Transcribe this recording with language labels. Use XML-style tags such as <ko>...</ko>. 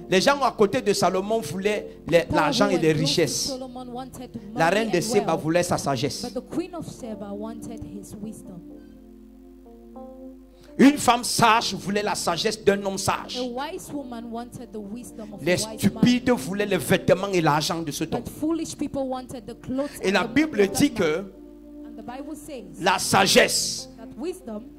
<fr>Les gens à côté de Salomon voulaient l'argent et les richesses. La reine de Séba voulait sa sagesse.</fr> <en>But the queen of Seba wanted his wisdom.</en> <fr>Une femme sage voulait la sagesse d'un homme sage.</fr> <en>A wise woman wanted the wisdom of</en> <fr>les stupides voulaient les vêtements et l'argent de cet homme.</fr> <en>But foolish people wanted the clothes.</en> <fr>Et la Bible dit que</fr> <en>the Bible says</en> <fr>la sagesse</fr> <en>that wisdom</en>